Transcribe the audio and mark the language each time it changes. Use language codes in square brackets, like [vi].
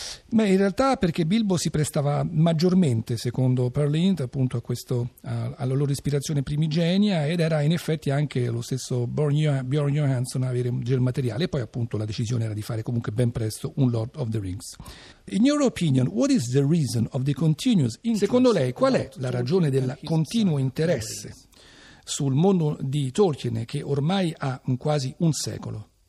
[it] Ma in realtà perché Bilbo si prestava maggiormente, secondo Perlint, appunto a questo, alla loro ispirazione primigenia, ed era in effetti anche lo stesso Björn Johansson a avere il materiale, e poi appunto la decisione era di fare comunque ben presto un Lord of the Rings. [en] In your opinion, what is the reason of the continuous interest? [it] Secondo lei qual è la ragione del continuo interesse sul mondo di Tolkien, che ormai ha quasi un secolo?